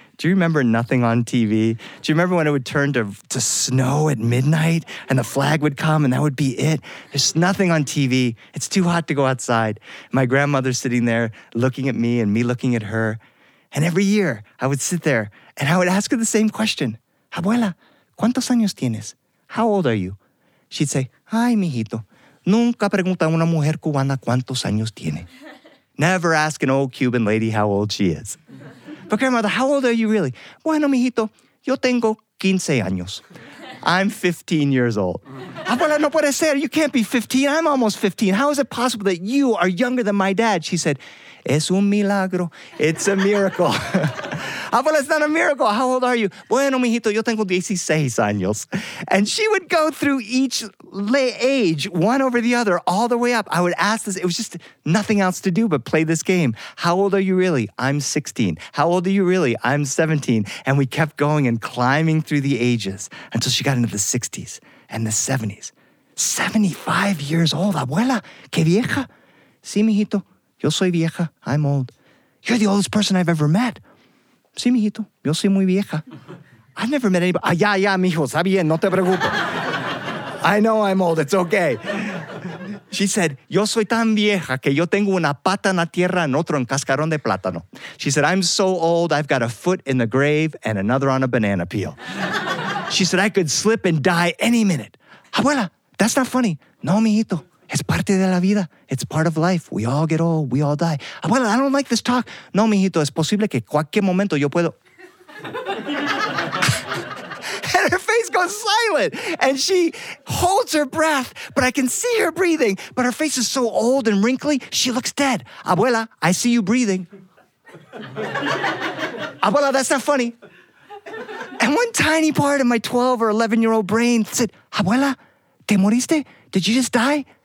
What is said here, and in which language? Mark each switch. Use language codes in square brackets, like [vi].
[en] Do you remember nothing on TV? Do you remember when it would turn to snow at midnight and the flag would come and that would be it? There's nothing on TV. It's too hot to go outside. My grandmother sitting there looking at me and me looking at her. And every year I would sit there and I would ask her the same question. [es] Abuela, ¿cuántos años tienes? [en] How old are you? She'd say, [es] ay, mijito, nunca pregunta a una mujer cubana cuántos años tiene. [en] Never ask an old Cuban lady how old she is. But grandmother, how old are you really? [es] Bueno, mijito, yo tengo 15 años. [en] I'm 15 years old. Abuela, [es] no puede ser. [en] You can't be 15. I'm almost 15. How is it possible that you are younger than my dad? She said, [es] es un milagro. [en] It's a miracle. Abuela, it's not a miracle. How old are you? [es] Bueno, mijito, yo tengo 16 años. [en] And she would go through each age, one over the other, all the way up. I would ask this. It was just nothing else to do but play this game. How old are you really? I'm 16. How old are you really? I'm 17. And we kept going and climbing through the ages until she got into the 60s and the 70s. 75 years old. [es] Abuela, qué vieja. Sí, mijito, yo soy vieja. [en] I'm old. You're the oldest person I've ever met. [es] Sí, mijito. Yo soy muy vieja. [en] I've never met anybody. [es] Ya, ya, mijo. Está bien. No te preocupes. [en] I know I'm old. It's okay. She said, [es] yo soy tan vieja que yo tengo una pata en la tierra y otro en cascarón de plátano. [en] She said, I'm so old, I've got a foot in the grave and another on a banana peel. She said, I could slip and die any minute. Abuela, that's not funny. [es] No, mijito. [en] It's [es] parte de la vida. [en] It's part of life. We all get old. We all die. Abuela, I don't like this talk. [es] No, mijito, es posible que cualquier momento yo puedo. [en] And her face goes silent. And she holds her breath, but I can see her breathing. But her face is so old and wrinkly, she looks dead. Abuela, I see you breathing. Abuela, that's not funny. And one tiny part of my 12 or 11-year-old brain said, Abuela, [es] te moriste? [en] Did you just die?